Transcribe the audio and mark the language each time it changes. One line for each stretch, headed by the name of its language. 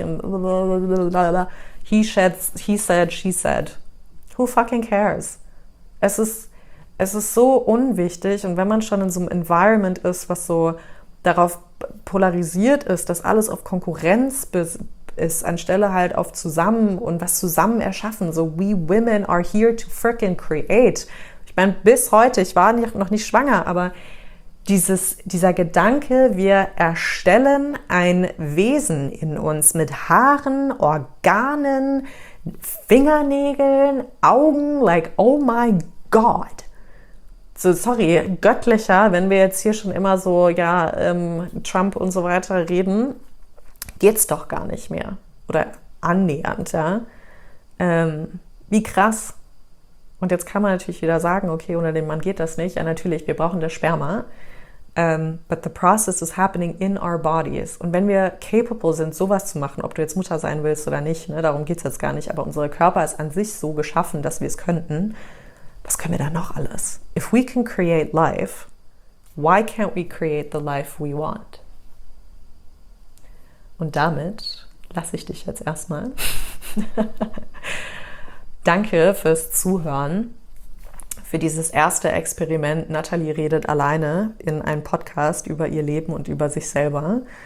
German: Und blablabla.
English: He said, she said. Who fucking cares?
German: Es ist so unwichtig und wenn man schon in so einem Environment ist, was so darauf polarisiert ist, dass alles auf Konkurrenz ist, anstelle halt auf zusammen und was zusammen erschaffen.
English: So, we women are here to freaking create.
German: Ich meine, bis heute, ich war noch nicht schwanger, aber dieser Gedanke, wir erstellen ein Wesen in uns mit Haaren, Organen, Fingernägeln, Augen,
English: like, oh my God.
German: So, sorry, göttlicher, wenn wir jetzt hier schon immer so, ja, Trump und so weiter reden. Geht's doch gar nicht mehr. Oder annähernd, ja. Wie krass. Und jetzt kann man natürlich wieder sagen, okay, ohne den Mann geht das nicht. Ja, natürlich, wir brauchen das Sperma.
English: But the process is happening in our bodies.
German: Und wenn wir capable sind, sowas zu machen, ob du jetzt Mutter sein willst oder nicht, ne, darum geht es jetzt gar nicht, aber unser Körper ist an sich so geschaffen, dass wir es könnten. Was können wir da noch alles?
English: If we can create life, why can't we create the life we want?
German: Und damit lasse ich dich jetzt erstmal. Danke fürs Zuhören, für dieses erste Experiment. Natalie redet alleine in einem Podcast über ihr Leben und über sich selber.